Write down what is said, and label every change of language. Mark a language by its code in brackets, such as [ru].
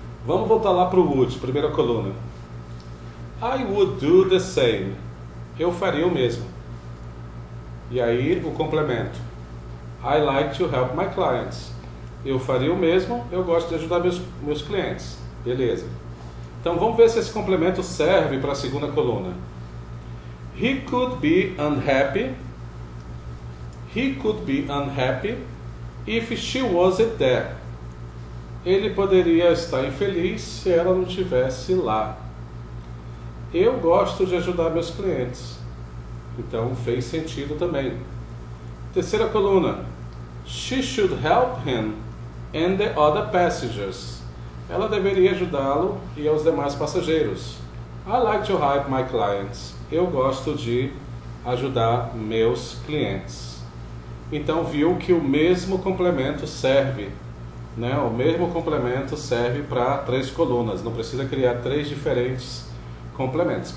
[pt] Vamos voltar lá para o would, primeira coluna. [en] I would do the same. [pt] Eu faria o mesmo. E aí o complemento. [en] I like to help my clients. [pt] Eu faria o mesmo, eu gosto de ajudar meus clientes. Beleza. Então vamos ver se esse complemento serve para a segunda coluna. [en] He could be unhappy. He could be unhappy if she wasn't there. [pt] Ele poderia estar infeliz se ela não estivesse lá. Eu gosto de ajudar meus clientes. Então fez sentido também. Terceira coluna. [en] She should help him and the other passengers. [pt] Ela deveria ajudá-lo e aos demais passageiros. [en] I like to help my clients. [pt] Eu gosto de ajudar meus clientes. Então, viu que o mesmo complemento serve, né? O mesmo complemento serve para três colunas. Não precisa criar três diferentes complementos.